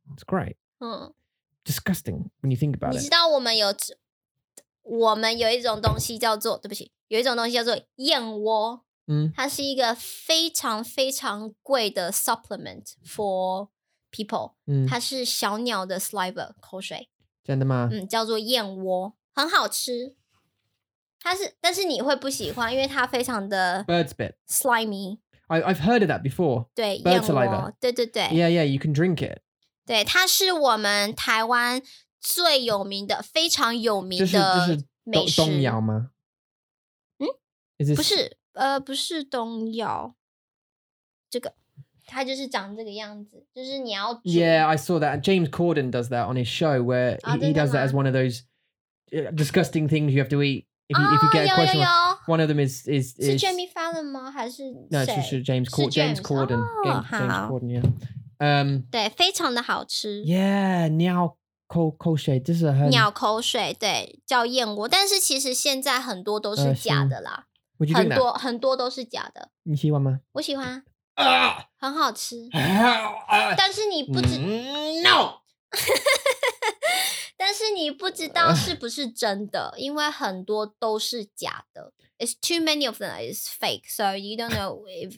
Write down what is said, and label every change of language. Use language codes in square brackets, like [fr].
[en] ，it's great， disgusting when you think about it。 [zh] 你知道我们有一种东西叫做，对不起，有一种东西叫做燕窝。它是一个非常非常贵的 [en] supplement for people。 [zh] 它是小鸟的 saliva 口水。真的吗？叫做燕窝，很好吃。但是你会不喜欢，因为它非常的 [en] bird spit slimy。 I've heard of that before. [zh] 对 [en] ，bird saliva. [zh] 对对对。 [en] Yeah, yeah. You can drink it. [zh] 对，它是我们台湾最有名的，非常有名的美食。冬瑶吗？不是。不是冬药，这个它就是长这个样子，就是你要煮。 [en] Yeah, I saw that. James Corden does that on his show where he does that as one of those disgusting things you have to eat if you get a question. One of them is [zh] 是 Jimmy Fallon 吗？还是那就是 [en] James Corden. James Corden. James Corden. Yeah. [zh] 对，非常的好吃。 Yeah, 鸟口水，这是很鸟口水，对，叫燕窝，但是其实现在很多都是假的啦。很多都是假的。你喜欢吗？我喜欢，很好吃。但是你不知 [en] no， [zh] 但是你不知道是不是真的，因为很多都是假的。 [en] It's too many of them is fake, so you don't know if.